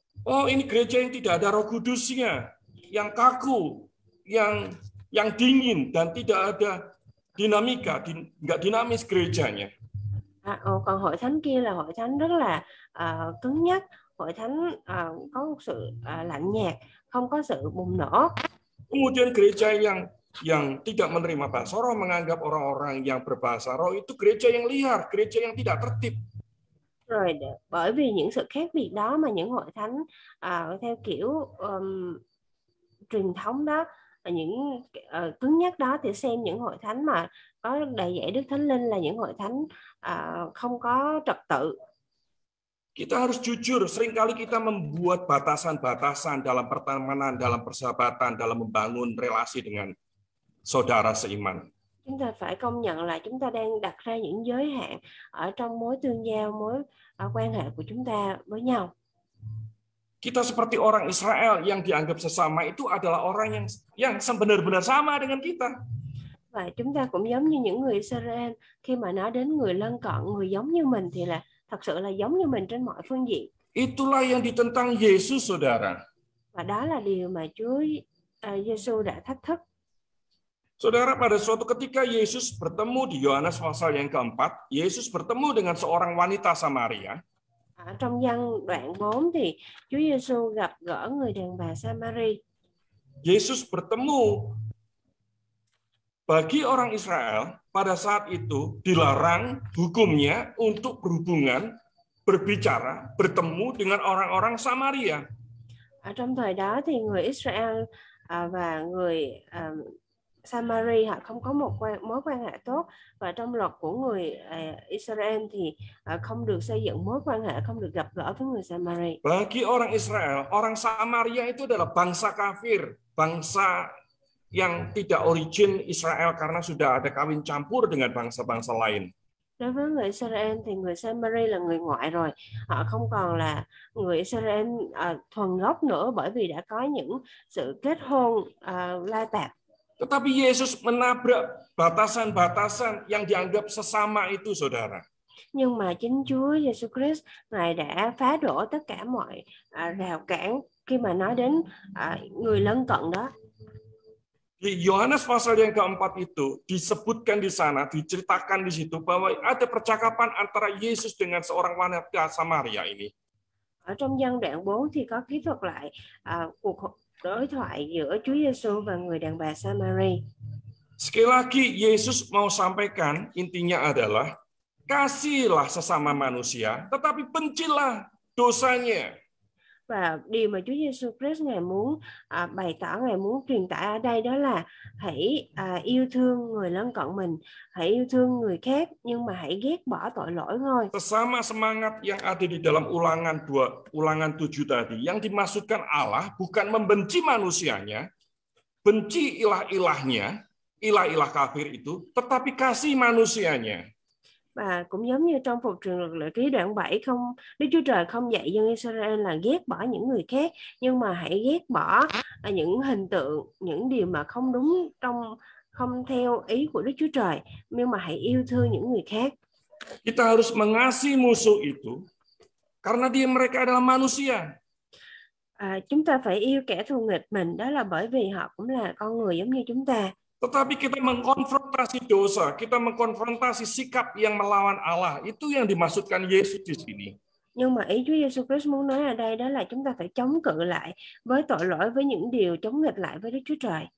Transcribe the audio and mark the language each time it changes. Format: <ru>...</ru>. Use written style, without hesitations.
<id>Oh, ini gereja yang tidak ada Roh Kudusnya, yang kaku, yang dingin dan tidak ada dinamika, enggak dinamis gerejanya.</id> <vi>Còn hội thánh kia là hội thánh rất là cứng nhắc, hội thánh có một sự lạnh nhạt, không có sự bùng nổ.</vi> <id>Kemudian gereja yang tidak menerima bahasa roh, menganggap orang-orang yang berbahasa roh itu gereja yang liar, gereja yang tidak tertib.</id> <vi>Rồi, bởi vì những sự khác biệt đó mà những hội thánh theo kiểu truyền thống đó, những cứng nhắc đó thì xem những hội thánh mà có đầy dạy Đức Thánh Linh là những hội thánh không có trật tự.</vi> <id>Kita harus jujur, seringkali kita membuat batasan-batasan dalam pertemanan, dalam persahabatan, dalam membangun relasi dengan saudara seiman.</id> <vi>Chúng ta phải công nhận là chúng ta đang đặt ra những giới hạn ở trong mối tương giao, mối quan hệ của chúng ta với nhau.</vi> <id>Kita seperti orang Israel yang dianggap sesama itu adalah orang yang benar-benar sama dengan kita.</id> <vi>Và chúng ta cũng giống như những người Israel, khi mà nói đến người lân cận, người giống như mình thì là thật sự là giống như mình trên mọi phương diện.</vi> <id>Itulah yang ditentang Yesus, saudara.</id> <vi>Và đó là điều mà Chúa Giêsu đã thách thức.</vi> <id>Saudara, pada suatu ketika Yesus bertemu di Yohanes pasal yang keempat, Yesus bertemu dengan seorang wanita Samaria.</id> <vi>Trong văn đoạn 4 thì Chúa Giêsu gặp gỡ người đàn bà Samaria.</vi> <id>Yesus bertemu bagi orang Israel pada saat itu dilarang hukumnya untuk berhubungan, berbicara, bertemu dengan orang-orang Samaria.</id> <vi>Trong thời đó thì người Israel và người Samaria họ không có một mối quan hệ tốt và trong luật của người Israel thì không được xây dựng mối quan hệ, không được gặp gỡ với người Samaria.</vi> <id>Bagi orang Israel, orang Samaria itu adalah bangsa kafir, bangsa yang tidak origin Israel karena sudah ada kawin campur dengan bangsa-bangsa lain.</id> <vi>Đối với người Israel thì người Samaria là người ngoại rồi, họ không còn là người Israel thuần gốc nữa bởi vì đã có những sự kết hôn lai tạp.</vi> <id>Tetapi Yesus menabrak batasan-batasan yang dianggap sesama itu, saudara.</id> <vi>Nhưng mà chính Chúa Giêsu Christ Ngài đã phá đổ tất cả mọi rào cản khi mà nói đến người lân cận đó.</vi> <id>Di Yohanes pasal yang keempat itu disebutkan di sana, diceritakan di situ bahwa ada percakapan antara Yesus dengan seorang wanita Samaria ini.</id> <vi>Ở trong văn đoạn 4 thì có ghi thuật lại cuộc đối thoại giữa Chúa Giêsu và người đàn bà Samaria.</vi> <id>Sekali lagi Yesus mau sampaikan intinya adalah kasihilah sesama manusia, tetapi bencilah dosanya.</id> <vi>Và điều mà Chúa Giêsu Christ ngài muốn bày tỏ, ngài muốn truyền tải ở đây đó là hãy yêu thương người lân cận mình, hãy yêu thương người khác nhưng mà hãy ghét bỏ tội lỗi thôi.</vi> <id>Sesama semangat yang ada di dalam ulangan 7 tadi yang dimaksudkan Allah bukan membenci manusianya, benci ilah-ilahnya, ilah-ilah kafir itu, tetapi kasih manusianya.</id> <vi>Và cũng giống như trong phục truyền luật Lễ Ký đoạn 7, không Đức Chúa Trời không dạy dân Israel là ghét bỏ những người khác, nhưng mà hãy ghét bỏ những hình tượng, những điều mà không đúng trong không theo ý của Đức Chúa Trời, nhưng mà hãy yêu thương những người khác.</vi> <id>Kita harus mengasihi musuh itu karena dia mereka adalah manusia.</id> <vi>Chúng ta phải yêu kẻ thù nghịch mình đó là bởi vì họ cũng là con người giống như chúng ta.</vi> <id>Tetapi kita mengkonfrontasi dosa, kita mengkonfrontasi sikap yang melawan Allah, itu yang dimaksudkan Yesus di sini.</id> <vi>Nhưng mà ý Chúa Giêsu Christ muốn nói ở đây đó là chúng ta phải chống cự lại với tội lỗi, với những điều chống nghịch lại với Đức Chúa Trời.</vi>